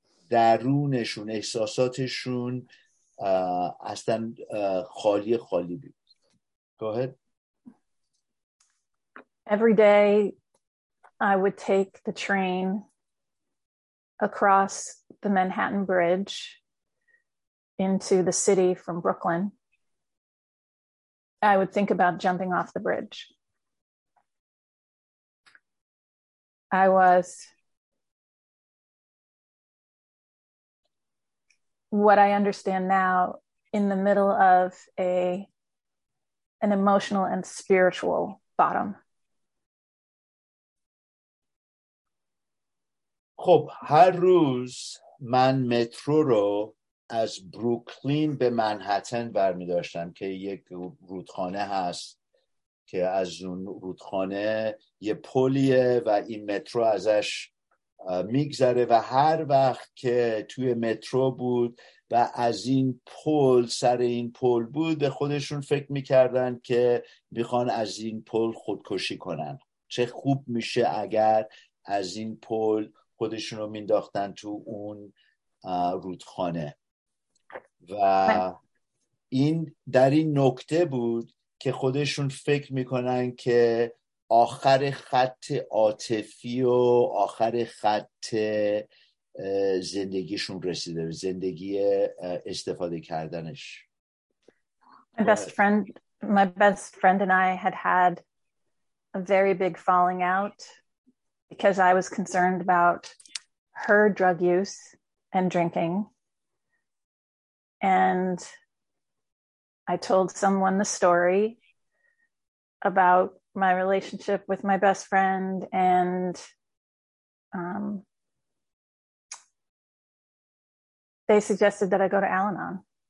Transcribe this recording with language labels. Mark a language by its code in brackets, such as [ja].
[fa] درونشون احساساتشون اصلا خالی بود. [en] Go ahead. Every day I would take the train across the Manhattan Bridge into the city from Brooklyn. I would think about jumping off the bridge. I was what I understand now in the middle of an emotional and spiritual bottom. [fa] خب هر روز من مترو رو از بروکلین به منهتن برمی داشتم که یک رودخانه هست که از اون رودخانه یه پلیه و این مترو ازش میگذره و هر وقت که توی مترو بود و از این پل سر این پل بود به خودشون فکر میکردن که میخوان از این پل خودکشی کنن. چه خوب میشه اگر از این پل خودشون رو مینداختن تو اون رودخانه. و این در این نکته بود که خودشون فکر میکنن که آخر خط عاطفی و آخر خط زندگیشون رسیده، زندگی استفاده کردنش. [en] My best friend and I had a very big falling out because I was concerned about her drug use and drinking, and I told someone the story about my relationship with my best friend, and they suggested that I go to Al-Anon.